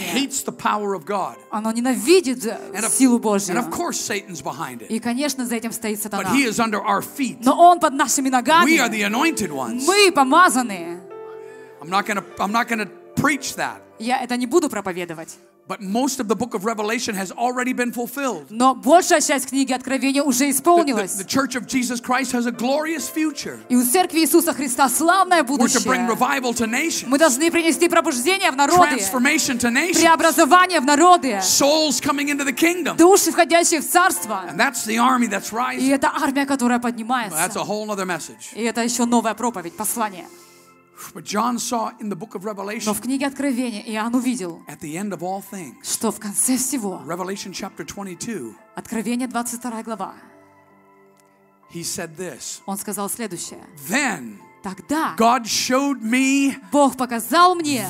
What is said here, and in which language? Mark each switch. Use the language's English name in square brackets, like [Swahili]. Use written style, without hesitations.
[English] It hates the power of God. [Russian] Оно ненавидит силу Божью. [English] And of course Satan's behind it. [Russian] И конечно за этим стоит сатана. [English] But he is under our feet. [Russian] Но он под нашими ногами. [English] We are the anointed ones. [Russian] Мы помазаны. [English] I'm not going to preach that. [Russian] Я это не буду проповедовать. [English] But most of the book of Revelation has already been fulfilled. [Russian] Но большая часть книги Откровения уже исполнилась. [English] The Church of Jesus Christ has a glorious future. [Russian] И у Церкви Иисуса Христа славное будущее. [English] We're to bring revival to nations. [Russian] Мы должны принести пробуждение в народы. [English] Transformation to nations. [Russian] Преобразование в народы. [English] Souls coming into the kingdom. [Russian] Души, входящие в царство. [English] And that's the army that's rising. [Russian] И это армия, которая поднимается. [English] That's a whole other message. [Russian] И это еще новая проповедь, послание. [English] But John saw in the book of Revelation. [Russian] Но в книге Откровения Иоанн увидел. [English] At the end of all things. [Russian] Что в конце всего. [English] Revelation chapter 22. [Russian] Откровение 22 глава. [English] He said this. [Russian] Он сказал следующее. [English] Then. [Russian] Тогда. [English] God showed me. [Russian] Бог показал мне.